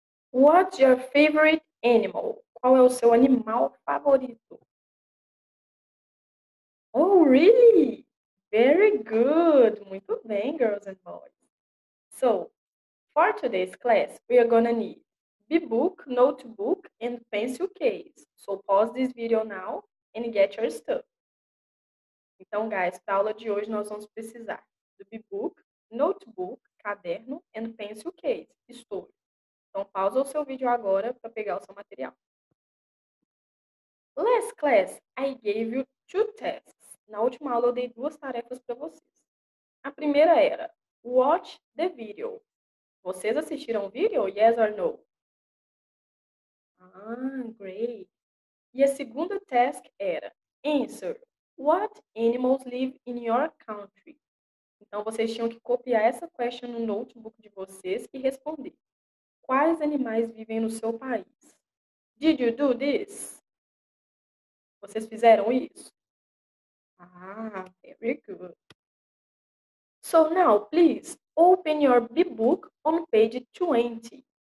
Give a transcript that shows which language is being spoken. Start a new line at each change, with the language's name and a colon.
English: What's your favorite animal?
Portuguese: Qual é o seu animal favorito?
English: Oh, really? Very good.
Portuguese: Muito bem,
English: girls and boys. So, for today's class, we are gonna need B-book, notebook, and pencil case. So, pause this video now and get your stuff.
Portuguese: Então, guys, para a aula de hoje nós vamos precisar do B-book, notebook, caderno
English: and pencil case,
Portuguese: estojo. Então, pausa o seu vídeo agora para pegar o seu material.
English: Last class, I gave you two tasks.
Portuguese: Na última aula, eu dei duas tarefas para vocês. A primeira era
English: watch the video.
Portuguese: Vocês assistiram o vídeo?
English: Yes or no? Ah, great.
Portuguese: E a segunda task era answer.
English: What animals live in your country?
Portuguese: Então, vocês tinham que copiar essa question no notebook de vocês e responder. Quais animais vivem no seu país?
English: Did you do this?
Portuguese: Vocês fizeram isso?
English: Ah, very good. So now, please, open your B-book on page 20.